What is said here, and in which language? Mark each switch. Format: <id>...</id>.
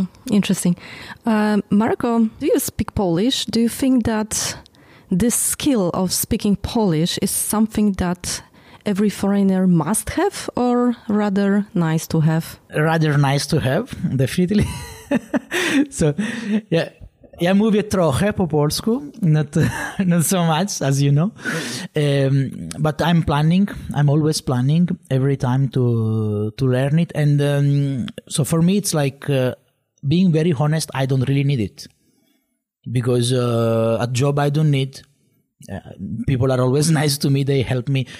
<en>Interesting. Marco, do you speak Polish? Do you think that this skill of speaking Polish is something that every foreigner must have, or rather nice to have? Rather nice to have, definitely. So, yeah.</en> <pl>Ja mówię trochę po polsku,</pl> <en>not so much, as you know. But I'm always planning every time to learn it. And so for me, it's like being very honest, I don't really need it. Because at job, I don't need. People are always nice to me. They help me.</en>